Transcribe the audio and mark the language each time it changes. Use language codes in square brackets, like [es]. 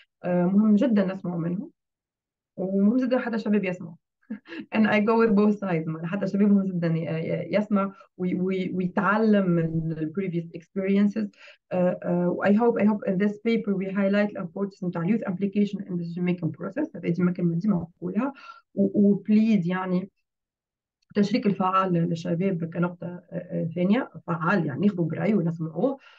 [ar] مهم جدا نسمع منهم، ومهم جدا حتى الشباب يسمعوا. [en] And I go with both sides. [ar] حتى الشباب مهم جدا يسمع ويتعلم من [en] the previous experiences. I hope in this paper we highlight the importance of youth application in the decision making process. [ar] هذه ديما كلمة ديما نقولها. وبليز يعني التشريك الفعال للشباب كنقطة ثانية، فعال يعني ناخذوا برأيه ونسمعوه.